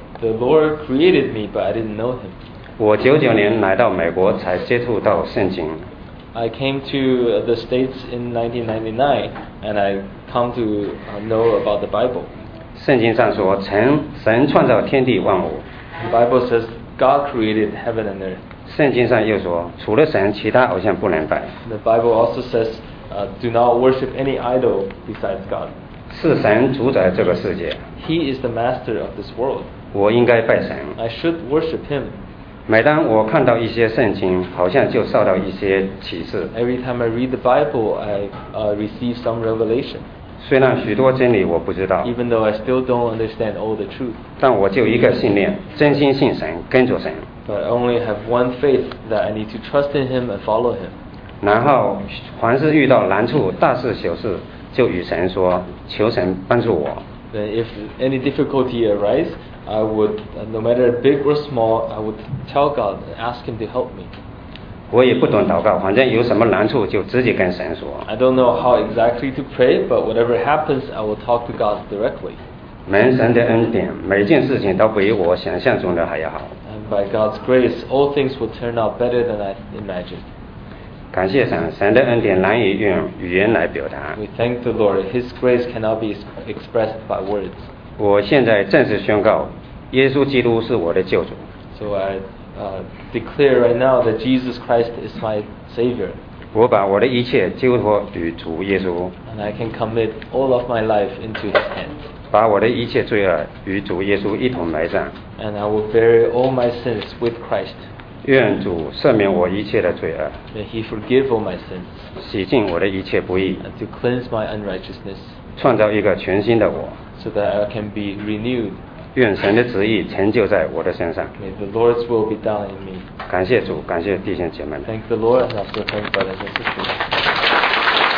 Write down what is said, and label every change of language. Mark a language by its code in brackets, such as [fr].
[en] The Lord created me, but I didn't know him. [zh] 我99年来到美国才接触到圣经。 [en] I came to the States in 1999, and I come to know about the Bible. [zh] 圣经上说，神创造天地万物。 [en] The Bible says God created heaven and earth. [zh] 圣经上又说，除了神，其他偶像不能拜。 [en] The Bible also says, do not worship any idol besides God. [zh] 是神主宰这个世界。 [en] He is the master of this world. [zh] 我应该拜神。 [en] I should worship him. [zh] 每当我看到一些圣经，好像就受到一些启示。 [en] Every time I read the Bible, I receive some revelation. [zh] 虽然许多真理我不知道。 [en] Even though I still don't understand all the truth. [zh] 但我就一个信念，真心信神，跟着神。 [en] But I only have one faith that I need to trust in Him and follow Him. [zh] 然后，凡是遇到难处、大事小事，就与神说，求神帮助我。 [en] Then if any difficulty arises. I would, no matter big or small, I would tell God and ask Him to help me. [zh] 我也不懂祷告，反正有什么难处就直接跟神说。 [en] I don't know how exactly to pray, but whatever happens, I will talk to God directly. [zh] 蒙神的恩典，每件事情都比我想象中的还要好。 [en] And by God's grace, all things will turn out better than I imagined. [zh] 感谢神，神的恩典难以用语言来表达。 [en] We thank the Lord. His grace cannot be expressed by words. [zh] 我现在正式宣告，耶稣基督是我的救主。 [en] So I declare right now that Jesus Christ is my Savior. [zh] 我把我的一切交托于主耶稣。 [en] And I can commit all of my life into His hands. [zh] 把我的一切罪恶与主耶稣一同埋葬。 [en] And I will bury all my sins with Christ. [zh] 愿主赦免我一切的罪恶。 [en] May He forgive all my sins. [zh] 洗净我的一切不义。 [en] And to cleanse my unrighteousness. [zh] 创造一个全新的我。 [en] So that I can be renewed. [zh] 愿神的旨意成就在我的身上。 [en] May the Lord's will be done in me. [zh] 感谢主，感谢弟兄姐妹们。 [en] Thank the Lord and also thank brothers and sisters.